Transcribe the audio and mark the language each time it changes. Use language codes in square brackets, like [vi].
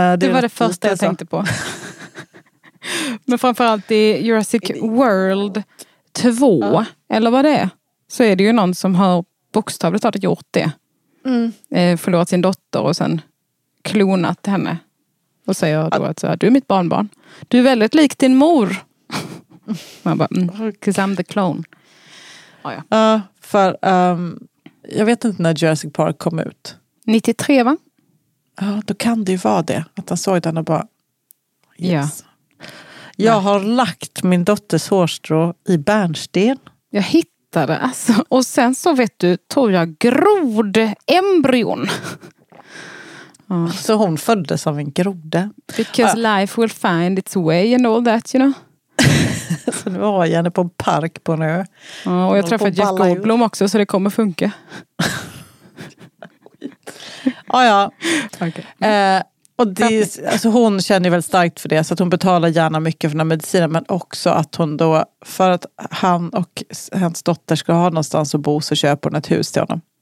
[sv] det var det första jag tänkte på. Men framförallt i Jurassic World 2, eller vad det är, så är det ju någon som har bokstavligt talat gjort det. Mm. Förlorat sin dotter och sen klonat henne. Och säger då att så här, du är mitt barnbarn. Du är väldigt lik din mor. Man bara, [en] because I'm the clone. [sv] Ah, ja. För jag vet inte när Jurassic Park kom ut. 93 va? Ja, då kan det ju vara det. Att han såg den och bara, [en] yes. [sv] Ja. Jag har lagt min dotters hårstrå i bärnsten. Jag hittade, alltså. Och sen så vet du, tog jag grodembryon. Så hon föddes av en grode. [en] Because life will find its way and all that, you know. [sv] Så nu har jag henne på en park på en ö. Och jag träffade Jeff Goldblum också, så det kommer funka. Ja. Okay. Och det, alltså hon känner ju väldigt starkt för det, så att hon betalar gärna mycket för den här medicinen, men också att hon då, för att han och hans dotter ska ha någonstans att bo, så köper hon ett hus till honom.